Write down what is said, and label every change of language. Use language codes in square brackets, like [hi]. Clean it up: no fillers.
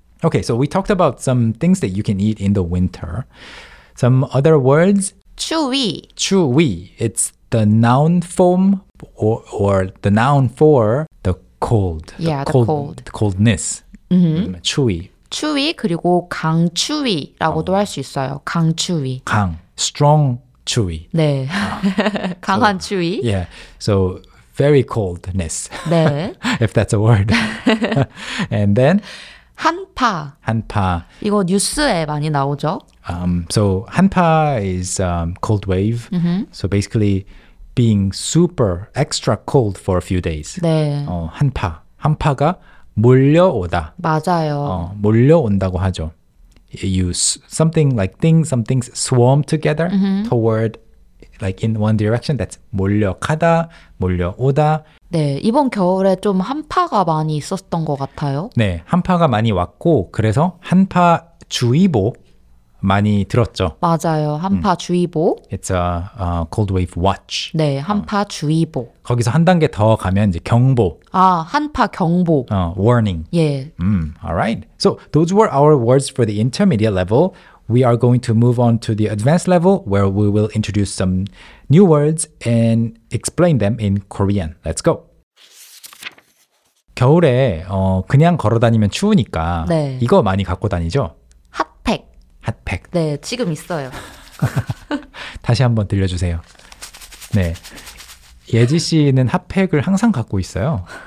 [en] Okay, so we talked about some things that you can eat in the winter. Some other words. [ko] 추위. 추위. [en] It's the noun form or the noun for the cold. Yeah, the cold. Coldness. Mm-hmm. [ko] 추위. 강추위 그리고 강추위라고도 할 수 있어요. 강추위. [en] 강. Strong 추위. [ko] 네. 아. 강한 추위. [en] Yeah. So very coldness. [ko] 네. [en] If that's a word. And then [ko] 한파. 한파. 이거 뉴스에 많이 나오죠? [en] So 한파 is cold wave. Mm-hmm. So basically being super extra cold for a few days. [ko] 네. 한파. 한파가 몰려오다. 맞아요. 몰려온다고 하죠. [en] You something like things, some things swarm together mm-hmm. toward like in one direction. That's 몰려가다, 몰려오다. [ko] 네, 이번 겨울에 좀 한파가 많이 있었던 것 같아요. 네, 한파가 많이 왔고 그래서 한파 주의보 많이 들었죠. 맞아요, 한파 주의보. [en] It's a cold wave watch. [ko] 네, 한파 주의보. 거기서 한 단계 더 가면 이제 경보. 아, 한파 경보. [en] Warning. [ko] 예. [en] Alright. So those were our words for the intermediate level. We are going to move on to the advanced level where we will introduce some new words and explain them in Korean. Let's go. [ko] 겨울에 그냥 걸어 다니면 추우니까 네. 이거 많이 갖고 다니죠? 핫팩. 핫팩. 네, 지금 있어요. 다시 한번 들려주세요. 네. 예지 씨는 핫팩을 항상 갖고 있어요.